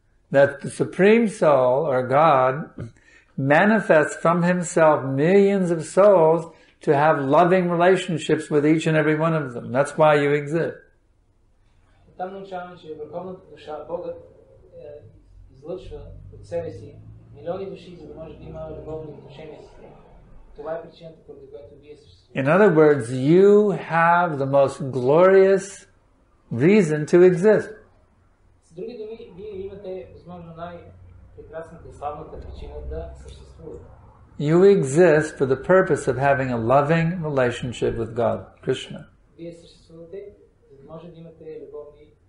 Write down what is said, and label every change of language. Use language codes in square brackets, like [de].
[en] That the Supreme Soul, or God, manifests from Himself millions of souls to have loving relationships with each and every one of them. That's why you exist. [bg] Там научаваме, че върховната душа, Богът, излъчва от себе си милиони души, за да може да има любовни отношения с тях. Това е причината, поради която вие съществувате. [en] In other words, you have the most glorious reason to exist. [bg] С други думи, вие имате, възможно, най-прекрасната и славната причина да съществувате. [en] You exist for the purpose of having a loving relationship with God, Krishna. [bg] Вие съществувате, за да може да имате любовни.